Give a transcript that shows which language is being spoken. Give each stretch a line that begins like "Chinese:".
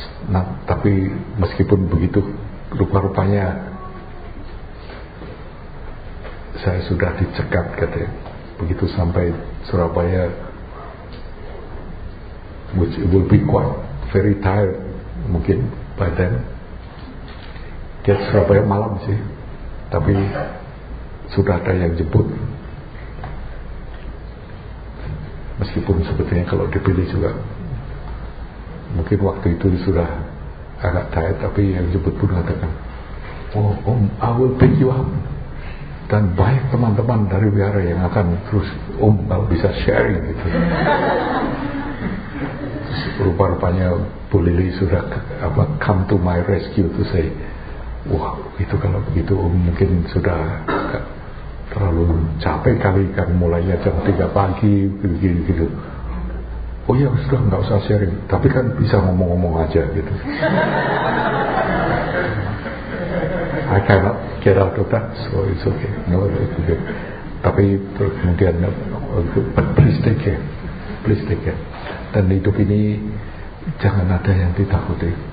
Indonesian: Nah, tapi meskipun begitu, rupa-rupanya saya sudah dicekat katanya. Begitu sampai
English: Surabaya, which will be quite very tired mungkin by then.
Indonesian: Dia Surabaya malam sih, tapi sudah ada yang jemput. Meskipun sebetulnya kalau dipilih juga mungkin waktu itu sudah agak tired, tapi yang jemput pun katakan, oh,
English: I will pick you up.
Indonesian: Dan banyak teman-teman dari biara yang akan terus om kalau bisa sharing gitu. Rupa-rupanya Bu Lili sudah apa
English: come to my rescue to say,
Indonesian: wah itu kalau begitu om mungkin sudah terlalu capek kali kan mulainya jam 3 pagi gitu. Oh ya sudah nggak usah sharing, tapi kan bisa ngomong-ngomong aja gitu.
English: I cannot get out of that, so it's okay. No, it's okay.
Indonesian: Tapi kemudian,
English: but please take care. Please take care.
Indonesian: Dan hidup ini jangan ada yang ditakuti.